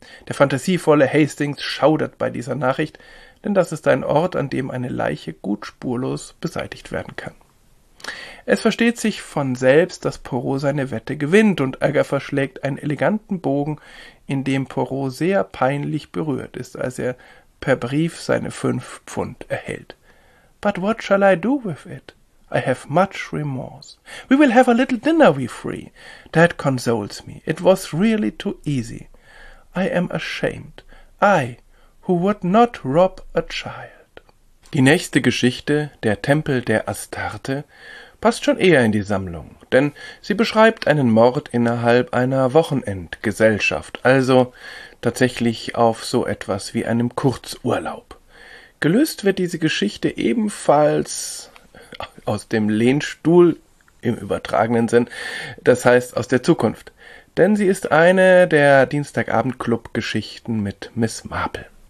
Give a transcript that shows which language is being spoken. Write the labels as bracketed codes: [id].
[de] Der fantasievolle Hastings schaudert bei dieser Nachricht, denn das ist ein Ort, an dem eine Leiche gut spurlos beseitigt werden kann. Es versteht sich von selbst, dass Poirot seine Wette gewinnt und Agatha schlägt einen eleganten Bogen, in dem Poirot sehr peinlich berührt ist, als er per Brief seine 5 Pfund erhält. [en] But what shall I do with it? I have much remorse. We will have a little dinner, we three. That consoles me. It was really too easy. I am ashamed. I, who would not rob a child. [de] Die nächste Geschichte, der Tempel der Astarte, passt schon eher in die Sammlung, denn sie beschreibt einen Mord innerhalb einer Wochenendgesellschaft, also tatsächlich auf so etwas wie einem Kurzurlaub. Gelöst wird diese Geschichte ebenfalls aus dem Lehnstuhl im übertragenen Sinn, das heißt aus der Zukunft, denn sie ist eine der Dienstagabend-Club-Geschichten mit Miss Marple.